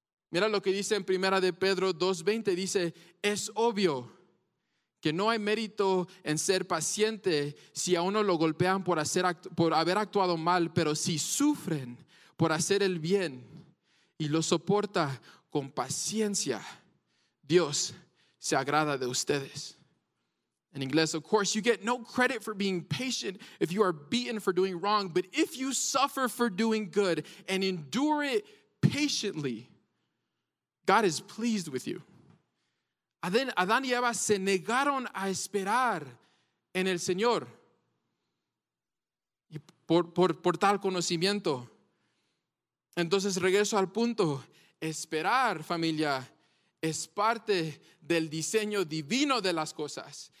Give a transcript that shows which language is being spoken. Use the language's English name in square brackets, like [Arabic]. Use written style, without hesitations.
[Spanish] Mira lo que dice en Primera de Pedro 2:20, dice, es obvio que no hay mérito en ser paciente si a uno lo golpean por haber actuado mal, pero si sufren por hacer el bien y lo soporta con paciencia, Dios se agrada de ustedes. En inglés, [English] of course, you get no credit for being patient if you are beaten for doing wrong, but if you suffer for doing good and endure it patiently, God is pleased with you. [Spanish] Adán y Eva se negaron a esperar en el Señor y por tal conocimiento. Entonces regreso al punto. Esperar, familia, es parte del diseño divino de las cosas.